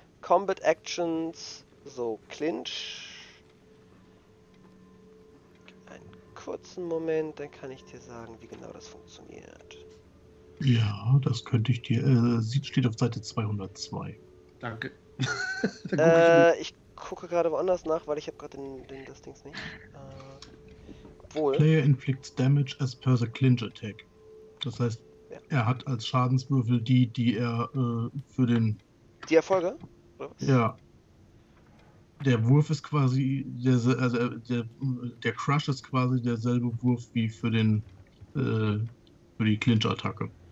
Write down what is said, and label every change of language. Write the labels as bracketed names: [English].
[English] Combat Actions, so, Clinch. [German] Kurzen Moment, dann kann ich dir sagen, wie genau das funktioniert. Ja, das könnte ich dir. Steht auf Seite 202. Danke. ich gucke gerade woanders nach, weil ich habe gerade das Ding nicht. [English] Player inflicts damage as per the clinch attack. [German] Das heißt, er hat als Schadenswürfel die er für den. Die Erfolge? Ja. Der Wurf ist quasi, der Crush ist quasi derselbe Wurf wie für den, für die Clinch-Attacke.